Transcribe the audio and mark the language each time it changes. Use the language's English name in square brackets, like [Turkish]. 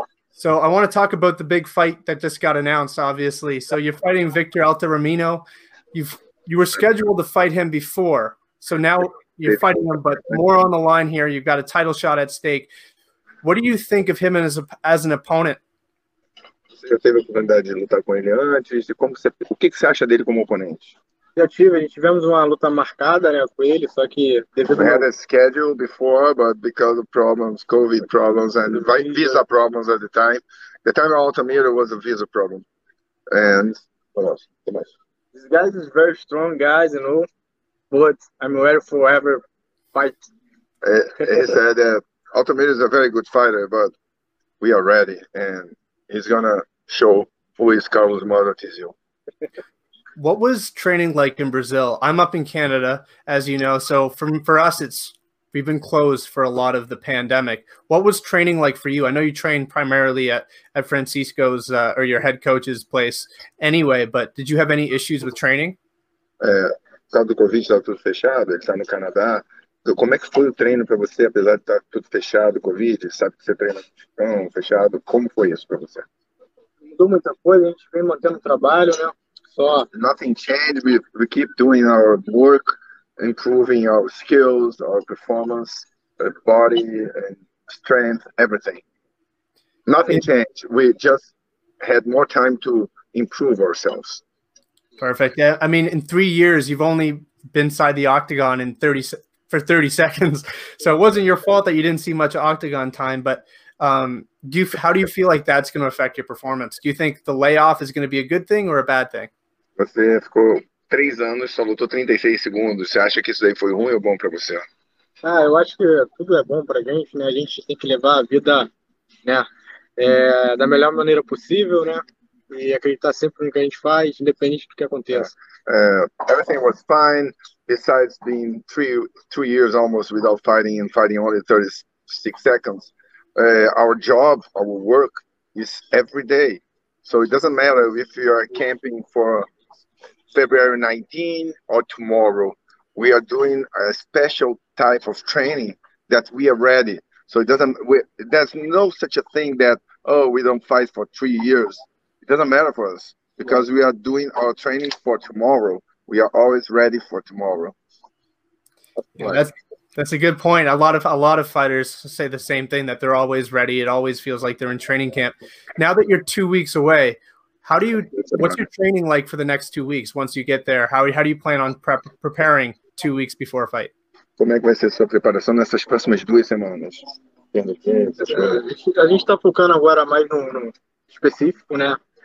[English] So I want to talk about the big fight that just got announced, obviously. So you're fighting Victor Altaramino. You were scheduled to fight him before. So now you're fighting him, but more on the line here. You've got a title shot at stake. What do you think of him as an opponent? [Portuguese] Já teve a oportunidade de lutar com ele antes? O que você acha dele como oponente? Já tive, a gente tivemos uma luta marcada, né, com ele, só que devido [English] had a schedule before, but because of problems, COVID problems and visa problems at the time of Altamira was a visa problem. And these guys is very strong guys, you know, but I'm ready for whatever fight. He said that Altamira is a very good fighter, but we are ready and he's gonna show who is Carlos Mota Tizio. What was training like in Brazil? I'm up in Canada, as you know. So for us, we've been closed for a lot of the pandemic. What was training like for you? I know you trained primarily at Francisco's or your head coach's place anyway, but did you have any issues with training? [Portuguese] Sabe do Covid, tá tudo fechado, ele tá no Canadá. Como é que foi o treino para você, apesar de estar tudo fechado, Covid, sabe que você treina tão fechado, como foi isso para você? Mudou muita coisa, a gente vem mantendo o trabalho, né? Só. [English] Nothing changed, we keep doing our work, improving our skills, our performance, our body, and strength, everything. Nothing changed, we just had more time to improve ourselves. Perfect, yeah, I mean, in 3 years, you've only been inside the octagon in 30 seconds. So it wasn't your fault that you didn't see much octagon time, but how do you feel like that's going to affect your performance? Do you think the layoff is going to be a good thing or a bad thing? [Portuguese] Você ficou 3 anos, só lutou 36 segundos. Você acha que isso daí foi ruim ou bom para você? Ah, eu acho que tudo é bom pra gente, né? A gente tem que levar a vida, né, da melhor maneira possível, né? E acreditar sempre no que a gente faz, independente do que aconteça. [English] Everything was fine. Besides being three years almost without fighting and fighting only 36 seconds, our job, our work is every day. So it doesn't matter if you are camping for February 19 or tomorrow. We are doing a special type of training that we are ready. So it doesn't. There's no such a thing that, oh, we don't fight for 3 years. It doesn't matter for us because we are doing our training for tomorrow. We are always ready for tomorrow. Yeah, that's a good point. A lot of fighters say the same thing, that they're always ready. It always feels like they're in training camp. Now that you're 2 weeks away, How do you, what's your training like for the next 2 weeks once you get there? How do you plan on preparing 2 weeks before a fight? [Portuguese] Como é que vai ser sua preparação nessas próximas 2 semanas? A gente está focando agora mais no, no específico, né?